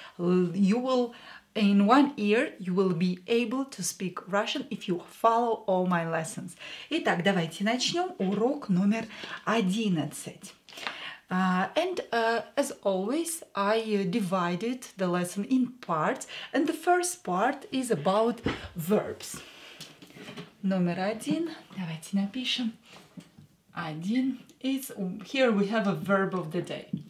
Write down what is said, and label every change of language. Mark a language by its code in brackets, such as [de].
[en] You will, in one ear, you will be able to speak Russian if you follow all my lessons. [ru] Итак, давайте начнем урок номер 11. [en] As always, I divided the lesson in parts, and the first part is about verbs. [ru] Номер один, давайте напишем. [en] Один is, here we have a verb of the day.